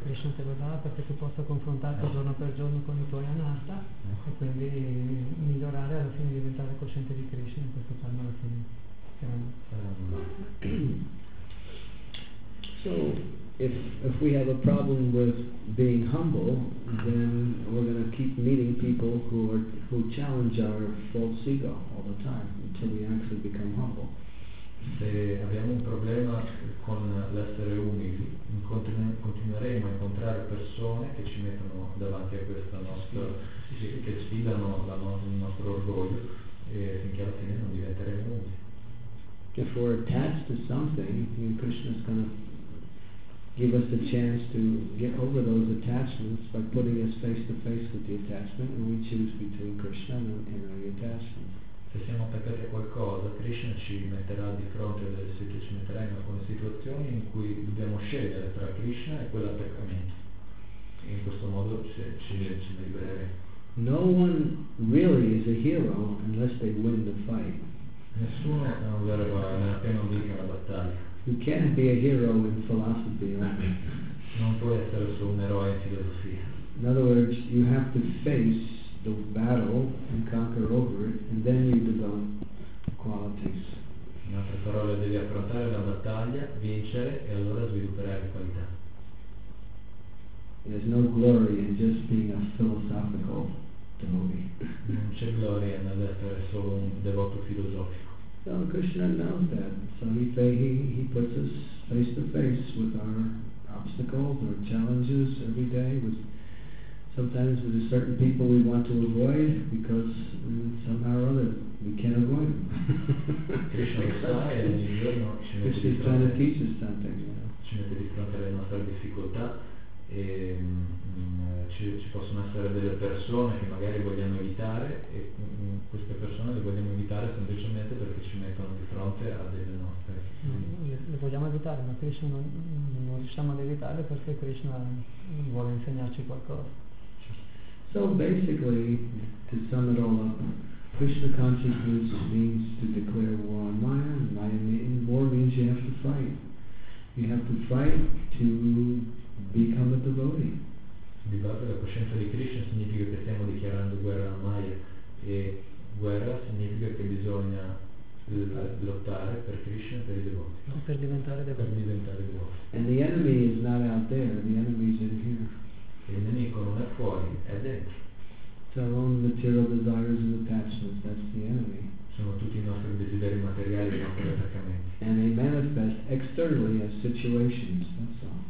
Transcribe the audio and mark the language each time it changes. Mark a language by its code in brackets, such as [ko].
[it] Krishna te lo dà perché tu possa confrontarti giorno per giorno con i tuoi anatta e quindi migliorare, alla fine diventare cosciente di Krishna, questo karma alla fine sarà annullato. [en] So if we have a problem with being humble, then we're going to keep meeting people who challenge our false ego all the time until we actually become humble. [it] Se abbiamo un problema con l'essere umili, continueremo a incontrare persone che ci mettono davanti a questa nostra, che sfidano il nostro orgoglio, e finché alla fine non diventeremo umili. [en] If we're attached to something, Krishna is going to give us the chance to get over those attachments by putting us face to face with the attachment, and we choose between Krishna and our attachments. [it] Se siamo attaccati a qualcosa, Krishna ci metterà di fronte, ci metterà in alcune situazioni. situazioni in cui dobbiamo scegliere tra Krishna e quell'attaccamento. E in questo modo ci libereremo. [en] No one really is a hero unless they win the fight. [it] Nessuno è un vero eroe nella pena di una battaglia. [en] You can't be a hero in philosophy. [it] Non puoi essere solo un eroe in filosofia. [en] In other words, you have to face the battle and conquer over it, and then you develop qualities. [it] In altre parole, devi affrontare la battaglia, vincere, e allora svilupperai le qualità. [en] There's no glory in just being a philosophical devotee. [it] Non c'è gloria nell'essere solo un devoto filosofico. [en] So Krishna knows that. So he puts us face to face with our obstacles or challenges every day, with sometimes with a certain people we want to avoid because somehow or other we can't avoid them. Krishna's trying to teach us something, [it] Ci mette di fronte alle nostre difficoltà e ci possono essere delle persone che magari vogliamo evitare e queste persone le vogliamo evitare semplicemente perché ci mettono di fronte a delle nostre. Le vogliamo evitare, ma Krishna non riusciamo ad evitare perché Krishna vuole insegnarci qualcosa. [en] So basically, to sum it all up, Krishna consciousness means to declare war on Maya, and Maya means war means you have to fight. You have to fight to become a devotee. [it] Di base la coscienza di Krishna significa che stiamo dichiarando guerra a Maya, e guerra significa che bisogna lottare per Krishna per i devoti. Per diventare devoti. Per diventare devoti. [en] And the enemy is not out there, the enemy is in here. [it] Il nemico non è fuori, è dentro. [en] Our own material desires and attachments, that's the enemy. [it] Sono tutti i nostri desideri materiali e i nostri attaccamenti. [en] And they manifest externally as situations, that's all.